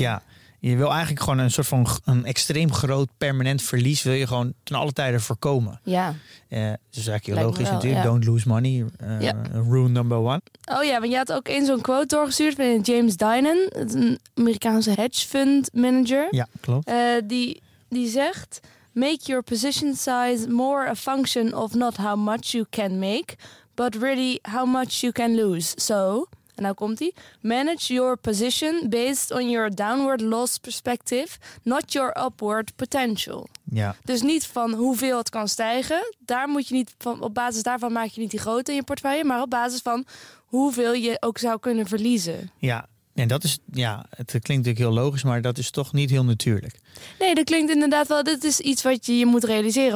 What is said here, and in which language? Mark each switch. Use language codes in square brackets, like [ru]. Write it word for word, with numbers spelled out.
[nl] Ja, je wil eigenlijk gewoon een soort van een extreem groot permanent verlies wil je gewoon ten alle tijden voorkomen. Ja. Uh, dus eigenlijk heel logisch wel, natuurlijk. Ja. [en] Don't lose money. Uh, ja. Rule number one. [nl] Oh ja, want je had ook eens zo'n quote doorgestuurd van James Dinan, een Amerikaanse hedge fund manager. Ja, klopt. Uh, die, die zegt, [en] make your position size more a function of not how much you can make, but really how much you can lose. So, [nl] en nou komt hij. [en] Manage your position based on your downward loss perspective, not your upward potential. [nl] Ja. Dus niet van hoeveel het kan stijgen. Daar moet je niet van, op basis daarvan maak je niet die grootte in je portefeuille, maar op basis van hoeveel je ook zou kunnen verliezen. Ja, en dat is, ja, het klinkt natuurlijk heel logisch, maar dat is toch niet heel natuurlijk. Nee, dat klinkt inderdaad wel. Dit is iets wat je je moet realiseren.